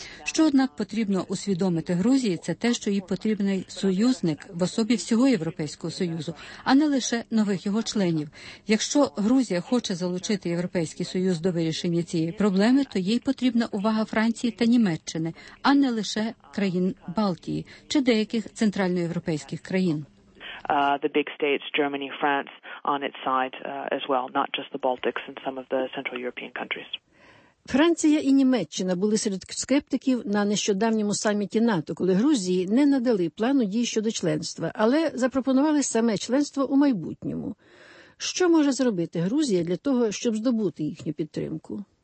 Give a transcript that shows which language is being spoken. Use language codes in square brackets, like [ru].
[uk] Що, однак, потрібно усвідомити Грузії – це те, що їй потрібний союзник в особі всього Європейського Союзу, а не лише нових його членів. Якщо Грузія хоче залучити Європейський Союз до вирішення цієї проблеми, то їй потрібна увага Франції та Німеччини, а не лише країн Балтії чи деяких центральноєвропейських країн. [en] The big states, Germany, France, on its side as well, not just the Baltics and some of the Central European countries. [uk] Франція і Німеччина були серед скептиків на нещодавньому саміті НАТО, коли Грузії не надали плану дій щодо членства, але запропонували саме членство у майбутньому. Що може зробити Грузія для того, щоб здобути їхню підтримку?